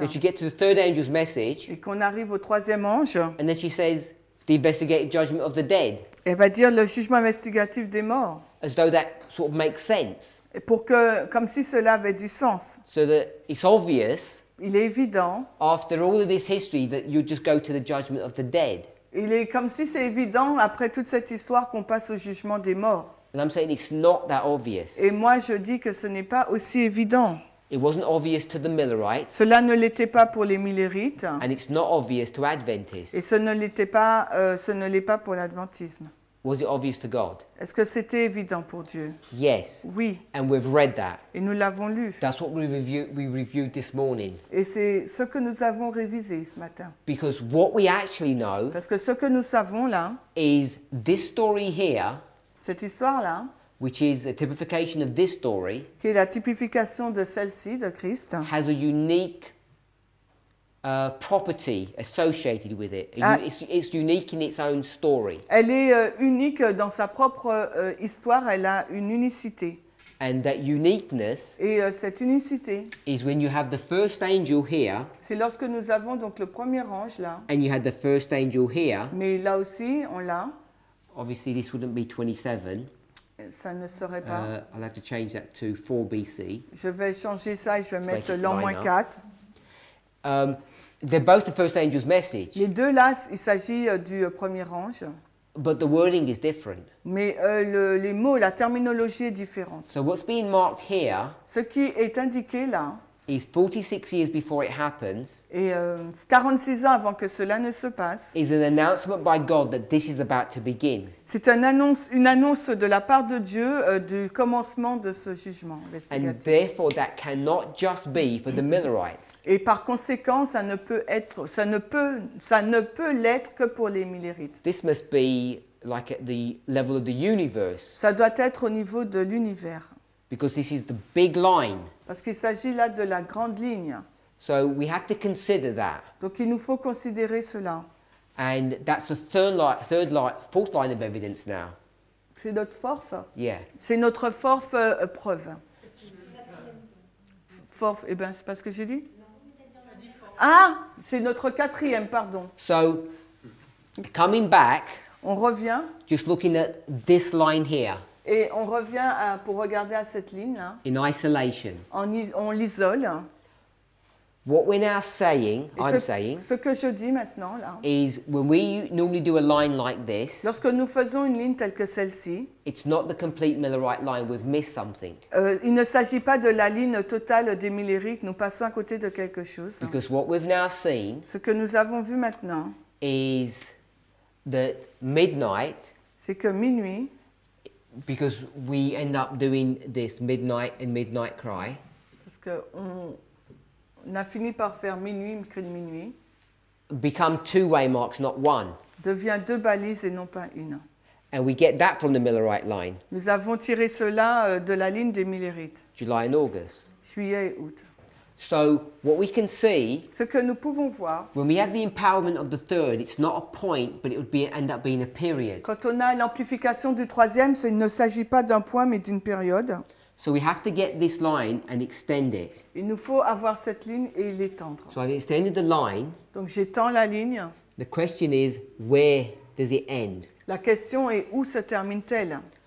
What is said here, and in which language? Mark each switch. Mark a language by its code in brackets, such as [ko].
[en] Did she get to the third angel's message? [fr] Et qu'on arrive au troisième ange. [en] And then she says the investigative judgment of the dead. [fr] Elle va dire le jugement investigatif des morts. [en] As though that sort of makes sense. [fr] Et pour que, comme si cela avait du sens. [en] So that it's obvious. [fr] Il est évident. [en] After all of this history, that you just go to the judgment of the dead. [fr] Il est comme si c'est évident, après toute cette histoire, qu'on passe au jugement des morts. [en] And I'm saying it's not that obvious. [fr] Et moi, je dis que ce n'est pas aussi évident. [en] It wasn't obvious to the Millerites. [fr] Cela ne l'était pas pour les Millerites. [en] And it's not obvious to Adventists. [fr] Et ce ne l'était pas, ce ne l'est pas pour l'adventisme. [en] Was it obvious to God? [fr] Est-ce que c'était évident pour Dieu? [en] Yes. [fr] Oui. [en] And we've read that. [fr] Et nous l'avons lu. [en] That's what we reviewed this morning. [fr] Et c'est ce que nous avons révisé ce matin. [en] Because what we actually know. [fr] Parce que ce que nous savons là. [en] Is this story here. [fr] Cette histoire là. [en] Which is a typification of this story. [fr] Qui est la typification de celle-ci, de Christ. [en] Has a unique property associated with it. It's unique in its own story. [fr] Elle est unique dans sa propre histoire. Elle a une unicité. [en] And that uniqueness. [fr] Et cette unicité. [en] Is when you have the first angel here. [fr] C'est lorsque nous avons donc le premier ange là. [en] And you had the first angel here. [fr] Mais là aussi, on l'a. [en] Obviously, this wouldn't be 27. [fr] Ça ne serait pas. [en] I'll have to change that to 4 BC. [fr] Je vais changer ça et je vais mettre l'an moins 4. [en] They're both the first angel's message. [fr] Les deux là, il s'agit du premier ange. [en] But the wording is different. [fr] Mais les mots, la terminologie est différente. [en] So what's being marked here? [fr] Ce qui est indiqué là. [en] Is 46 years before it happens. [fr] Et 46 ans avant que cela ne se passe. [en] Is an announcement by God that this is about to begin. [fr] C'est une annonce de la part de Dieu du commencement de ce jugement investigatif. [en] And therefore that cannot just be for the Millerites. [fr] Et par conséquent, ça ne peut l'être que pour les Millerites. [en] This must be like at the level of the universe. [fr] Ça doit être au niveau de l'univers. [en] Because this is the big line. [fr] Parce qu'il s'agit là de la grande ligne. [en] So we have to consider that. [fr] Donc il nous faut considérer cela. [en] And that's the fourth line of evidence now. [fr] C'est notre [en] fourth. Yeah. [fr] C'est notre [en] fourth [fr] preuve. [en] Fourth. [fr] Eh bien, c'est pas ce que j'ai dit. Ah, c'est notre quatrième, pardon. [en] So coming back. [fr] On revient. [en] Just looking at this line here. [fr] Et on revient pour regarder à cette ligne là. [en] In isolation. [fr] On l'isole. [en] What we're now saying, I'm saying. [fr] Ce que je dis maintenant là. [en] Is when we normally do a line like this. [fr] Lorsque nous faisons une ligne telle que celle-ci. [en] It's not the complete Millerite line. We've missed something. [fr] Il ne s'agit pas de la ligne totale des Millerites. Nous passons à côté de quelque chose. [en] Because what we've now seen. [fr] Ce que nous avons vu maintenant. [en] Is that midnight. [fr] C'est que minuit. [en] Because we end up doing this midnight and midnight cry. [fr] Parce que on a fini par faire minuit, cri de minuit. [en] Become two way marks, not one. [fr] Devient deux balises et non pas une. [en] And we get that from the Millerite line. [fr] Nous avons tiré cela de la ligne des Millerites. [en] July and August. [fr] Juillet et août. [en] So what we can see. [fr] Ce que nous pouvons voir. [en] When we have the empowerment of the third, it's not a point, but it would end up being a period. [fr] Quand on a l'amplification du troisième, il ne s'agit pas d'un point, mais d'une période. [en] So we have to get this line and extend it. [fr] Il nous faut avoir cette ligne et l'étendre. [en] So I've extended the line. [fr] Donc j'étends la ligne. [en] The question is, where does it end? [fr] La question est où se termine-t-elle?